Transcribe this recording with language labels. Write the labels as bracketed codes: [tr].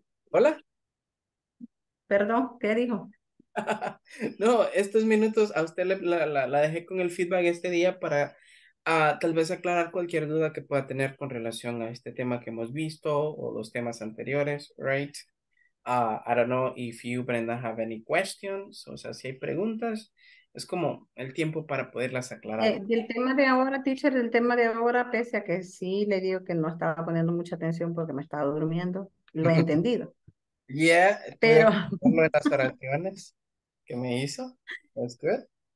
[es] Hola. Perdón, ¿qué dijo? No, estos minutos a usted la dejé con el feedback este día para tal vez aclarar cualquier duda que pueda tener con relación a este tema que hemos visto o los temas anteriores, right? [en] I don't know if you, Brenda, have any questions. [es] O sea, si hay preguntas, es como el tiempo para poderlas aclarar. Del tema de ahora, teacher, del tema de ahora, pese a que sí le digo que no estaba poniendo mucha atención porque me estaba durmiendo, lo he entendido. Yeah, pero una de las oraciones que me hizo, [en] that's good.